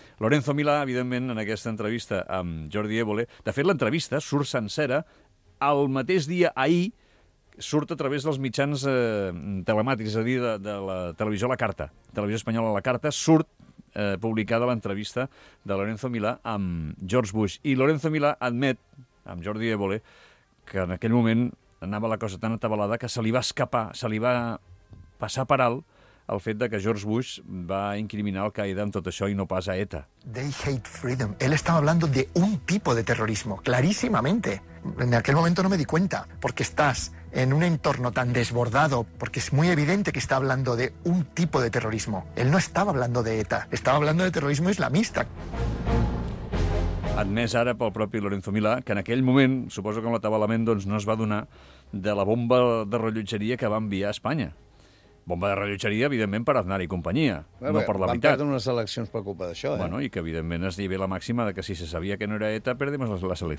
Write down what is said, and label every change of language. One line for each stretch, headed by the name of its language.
Catalan: Lorenzo Milà, evidentment, en aquesta entrevista amb Jordi Évole, de fet, l'entrevista surt sencera el mateix dia ahir, surt a través dels mitjans telemàtics, és a dir, de la televisió a la carta, televisió espanyola a la carta, surt publicada l'entrevista de Lorenzo Milà amb George Bush. I Lorenzo Milà admet, amb Jordi Évole, que en aquell moment anava la cosa tan atabalada que se li va escapar, se li va passar per alt el fet de que George Bush va incriminar Al-Qaeda amb tot això i no pas a ETA.
English: They hate freedom.
Spanish: Él estaba hablando de un tipo de terrorismo, clarísimamente. En aquel momento no me di cuenta, porque estás en un entorno tan desbordado, porque es muy evidente que está hablando de un tipo de terrorismo. Él no estaba hablando de ETA, estaba hablando de terrorismo islamista.
Catalan: Admès ara pel propi Lorenzo Milà, que en aquell moment, suposo que amb l'atabalament, doncs, no es va donar de la bomba de rellotgeria que va enviar a Espanya. Bomba de rellotgeria, evidentment, per Aznar i companyia, no per la veritat. Van perdre unes eleccions per culpa d'això, eh? Bueno, i que, evidentment, es llevé la màxima de que si se sabia que no era ETA, perdemos les eleccions.